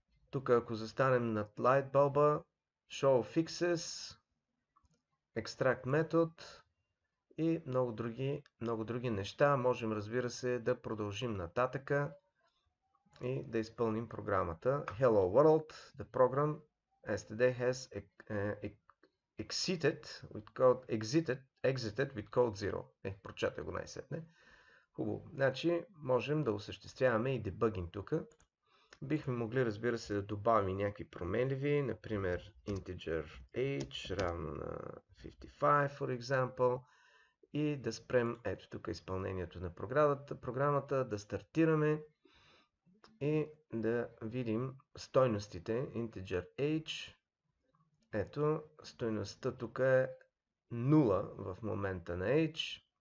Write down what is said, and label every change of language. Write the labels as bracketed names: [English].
[Bulgarian] Тук ако застанем над light bulb, [English] show fixes, extract method [Bulgarian] и много други неща. Можем, разбира се, да продължим нататъка и да изпълним програмата. [English] Hello world, the program std has exited with code exited. Exited with code 0. [Bulgarian] Е, прочета го най-сетне. Хубаво. Значи, можем да осъществяваме и дебъгинг тук. Бихме могли, разбира се, да добавим и някакви променливи. Например, [English] integer age [Bulgarian] равно на [English] 55, for example. [Bulgarian] И да спрем, ето тук, изпълнението на програмата. Да стартираме и да видим стойностите. [English] Integer age. [Bulgarian] Ето, стойността тук е 0 в момента на H.